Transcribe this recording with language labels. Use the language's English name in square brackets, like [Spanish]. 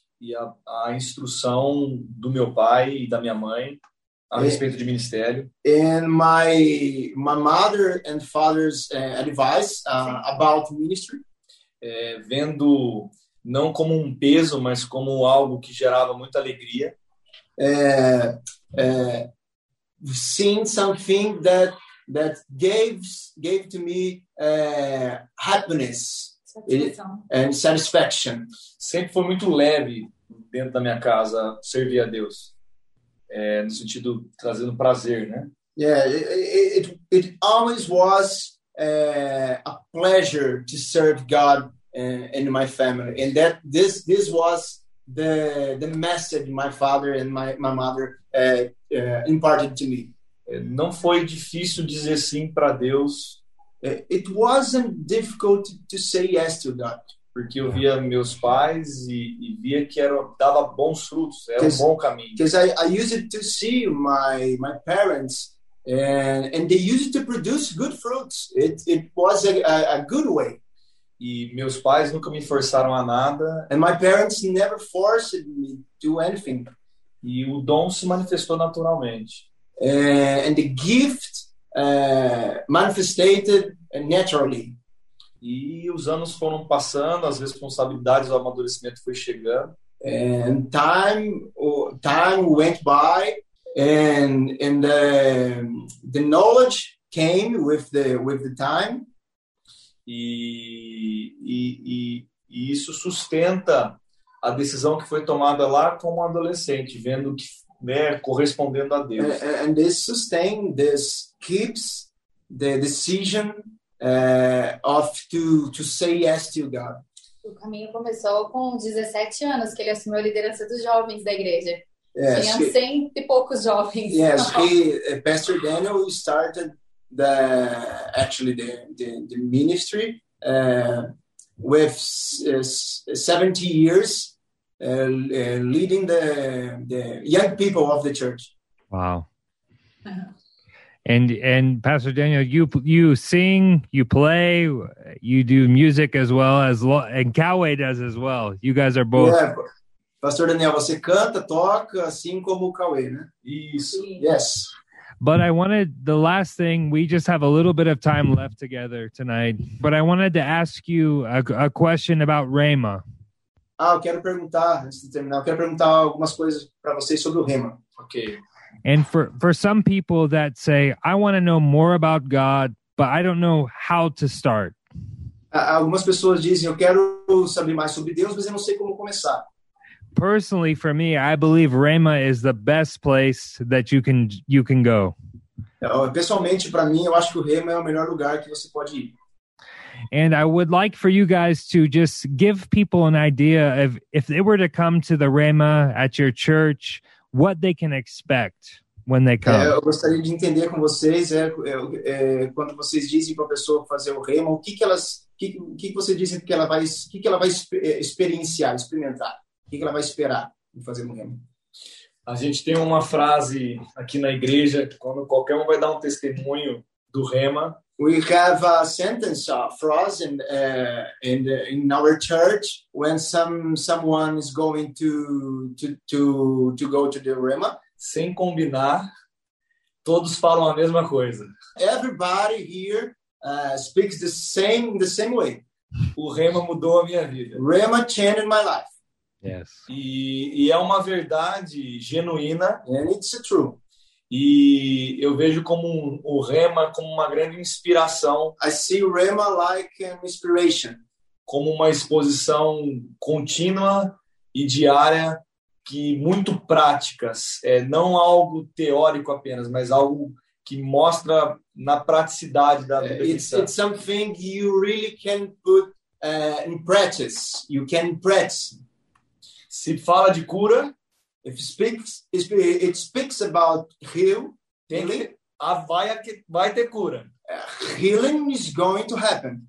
[Portuguese] E a instrução do meu pai e da minha mãe a respeito de ministério. [English] And my mother and father's advice about ministry. [Portuguese] Vendo não como um peso, mas como algo que gerava muita alegria. [English] Seeing something that gave to me happiness and satisfaction. [Portuguese] Sempre foi muito leve dentro da minha casa servir a Deus, no sentido trazendo prazer, né? [English] Yeah, it always was a pleasure to serve God and my family, and that this was the message my father and my mother imparted to me. [Portuguese] Não foi difícil dizer sim para Deus. [English] It wasn't difficult to say yes to God. [Portuguese] Porque eu via meus pais e via que dava bons frutos, era um bom caminho. [English] Because I used to see my parents and they used to produce good fruits. It was a good way. [Portuguese] E meus pais nunca me forçaram a nada. [English] And my parents never forced me to do anything. [Portuguese] E o dom se manifestou naturalmente. [English] And the gift manifested naturally. [Portuguese] E os anos foram passando, as responsabilidades, o amadurecimento foi chegando. [English] And time went by, and the knowledge came with the time. [Portuguese] E isso sustenta a decisão que foi tomada lá como adolescente, vendo que, né, correspondendo a Deus. [English] And this sustain, this keeps the decision of to say yes to God. [Portuguese] O caminho começou com 17 anos, que ele assumiu a liderança dos jovens da igreja. [English] Yes, [Portuguese] tinha 100 e poucos jovens. [English] Yes, Pastor Daniel started the ministry with 70 years. Leading the young people of the church. Wow. And Pastor Daniel, you sing, you play, you do music as well, as and Cowway does as well. You guys are both. Yeah. [Portuguese] Pastor Daniel, você canta, toca, assim como o Cauê, né? Isso. [English] Yes. But I wanted, the last thing, we just have a little bit of time left together tonight, but I wanted to ask you a question about Rhema. [Portuguese] Ah, eu quero perguntar, antes de terminar, eu quero perguntar algumas coisas para vocês sobre o Rhema. Ok. [English] And for some people that say, I want to know more about God, but I don't know how to start. [Portuguese] Algumas pessoas dizem, eu quero saber mais sobre Deus, mas eu não sei como começar. [English] Personally, for me, I believe Rhema is the best place that you can go. [Portuguese] Pessoalmente, para mim, eu acho que o Rhema é o melhor lugar que você pode ir. [English] And I would like for you guys to just give people an idea of if they were to come to the Rhema at your church, what they can expect when they come. [Portuguese] Eu gostaria de entender com vocês quando vocês dizem para a pessoa fazer o Rhema, o que você diz que ela vai, experimentar. O que ela vai esperar de fazer no Rhema? A gente tem uma frase aqui na igreja, quando qualquer um vai dar um testemunho do Rhema. [English] We have a sentence, a phrase in our church when someone is going to go to the Rhema. [Portuguese] Sem combinar, todos falam a mesma coisa. [English] Everybody here speaks the same way. [Portuguese] O Rhema mudou a minha vida. [English] Rhema changed my life. Yes. [Portuguese] E é uma verdade genuína. [English] And it's true. [Portuguese] E eu vejo como o Rhema como uma grande inspiração. [English] I see Rhema like an inspiration. [Portuguese] Como uma exposição contínua e diária, que muito práticas. É não algo teórico apenas, mas algo que mostra na praticidade da vida. [English] It's something you really can put in practice. You can practice. [Portuguese] Se fala de cura, [English] it speaks about heal, [Portuguese] healing, vai ter cura. [English] Healing is going to happen.